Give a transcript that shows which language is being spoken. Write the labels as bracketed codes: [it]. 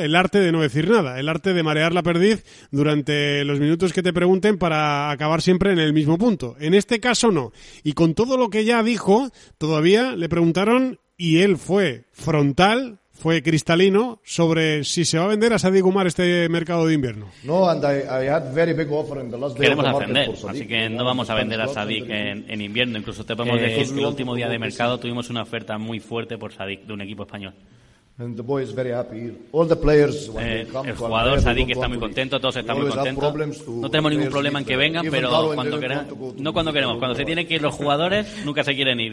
[es] El arte de no decir nada, el arte de marear la perdiz durante los minutos que te pregunten para acabar siempre en el mismo punto. En este caso no. Y con todo lo que ya dijo, todavía le preguntaron y él fue frontal, fue cristalino sobre si se va a vender a Sadiq Umar este mercado de invierno. [en] No, and I had very big offer in the last day. [es] Queremos ascender, así que no vamos a vender a Sadiq en invierno. Incluso te podemos decir que el último día de mercado tuvimos una oferta muy fuerte por Sadiq de un equipo español. [en] And the boy is very happy. All the players, when they come, [es] el jugador Sadiq está muy contento, todos están muy contentos. No tenemos ningún problema en que vengan, pero cuando queremos, no cuando queremos, cuando se tienen que ir los jugadores, nunca se quieren ir.